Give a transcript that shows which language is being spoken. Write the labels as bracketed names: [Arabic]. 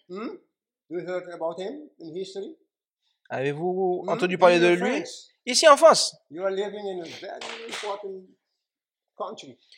[English] You heard about him in history? [French] Avez-vous entendu parler de lui? Ici en France. [English] You are living in a very important country.